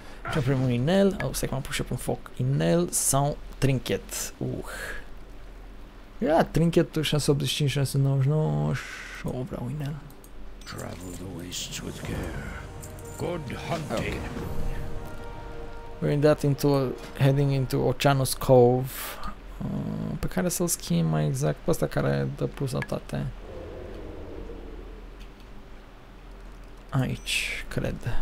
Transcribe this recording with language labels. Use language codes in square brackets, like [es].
[ro] Ce am primit un inel, stai că m-am pus și pe un foc, inel sau trinket, Ia, trinketul 685, 699, și o vreau inel. [en] Travel the wastes with care. Good hunting. Okay. We're heading into Oceanus Cove, [ro] pe care să-l schimb mai exact, pe ăsta care dă plus la toate. Aici, cred.